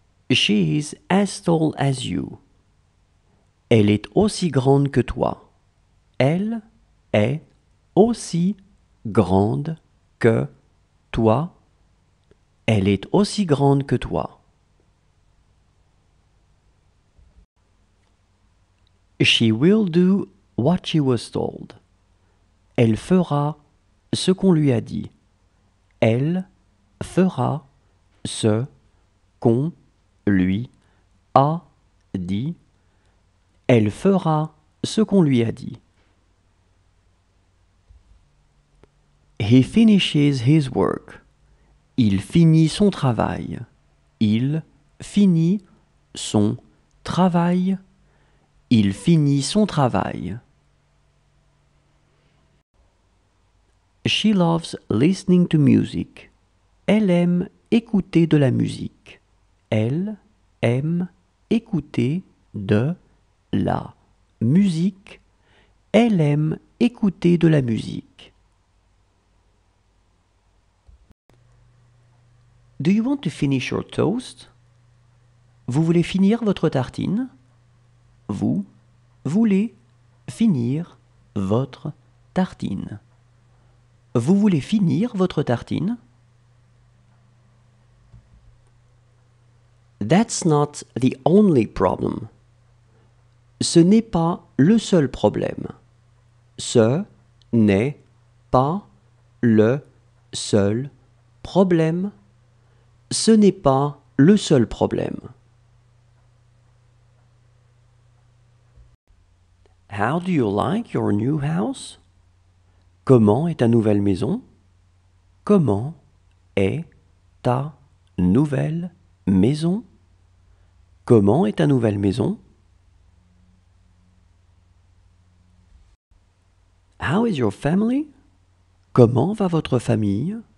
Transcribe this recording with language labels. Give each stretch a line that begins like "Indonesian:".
English: She is as tall as you.
French: Elle est aussi grande que toi. Elle est aussi grande que toi. Elle est aussi grande que toi.
English: She will do what she was told.
French: Elle fera ce qu'on lui a dit. Elle fera ce qu'on lui a dit. Elle fera ce qu'on lui a dit.
English: He finishes his work.
French: Il finit son travail. Il finit son travail. Il finit son travail.
English: She loves listening to music.
French: Elle aime écouter de la musique. Elle aime écouter de la musique. Elle aime écouter de la musique.
English: Do you want to finish your toast?
French: Vous voulez finir votre tartine? Vous voulez finir votre tartine? Vous voulez finir votre tartine?
English: That's not the only problem.
French: Ce n'est pas le seul problème. Ce n'est pas le seul problème. Ce n'est pas le seul problème.
English: How do you like your new house?
French: Comment est ta nouvelle maison? Comment est ta nouvelle maison? Comment est ta nouvelle maison?
English: How is your family?
French: Comment va votre famille?